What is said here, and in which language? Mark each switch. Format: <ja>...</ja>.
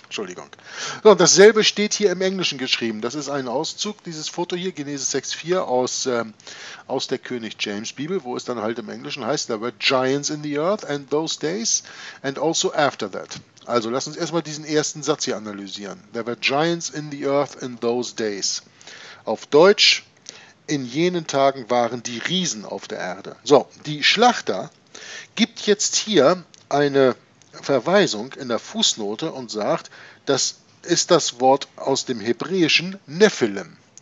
<de>Entschuldigung. So, dasselbe steht hier im Englischen geschrieben. Das ist ein Auszug, dieses Foto hier, Genesis 6,4 aus der König James Bibel, wo es dann halt im Englischen heißt,</de> <en>there were giants in the earth and those days and also after that.</en> <de>Also lass uns erstmal diesen ersten Satz hier analysieren.</de> <en>There were giants in the earth in those days.</en> <de>Auf Deutsch: in jenen Tagen waren die Riesen auf der Erde. So, die Schlachter gibt jetzt hier eine Verweisung in der Fußnote und sagt, das ist das Wort aus dem Hebräischen Nephilim.</de>